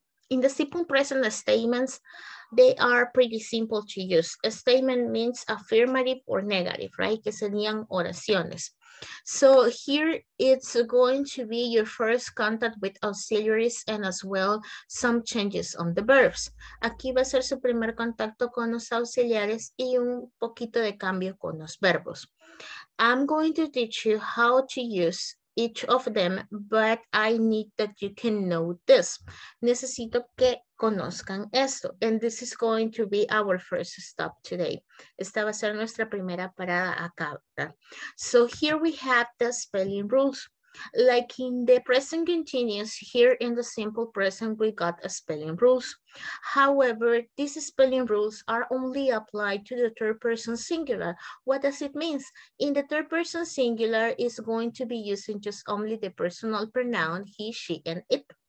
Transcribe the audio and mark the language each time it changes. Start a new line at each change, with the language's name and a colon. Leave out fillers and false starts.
English: In the simple present statements, they are pretty simple to use. A statement means affirmative or negative, right?
Spanish: Que serían oraciones.
English: So here it's going to be your first contact with auxiliaries and as well some changes on the verbs.
Spanish: Aquí va a ser su primer contacto con los auxiliares y un poquito de cambio con los verbos.
English: I'm going to teach you how to use each of them, but I need that you can know this.
Spanish: Necesito que conozcan esto.
English: And this is going to be our first stop today.
Spanish: Esta va a ser nuestra primera parada acá.
English: So here we have the spelling rules. Like in the present continuous, here in the simple present, we got a spelling rules. However, these spelling rules are only applied to the third person singular. What does it mean? In the third person singular, is going to be using just only the personal pronoun, he, she, and it.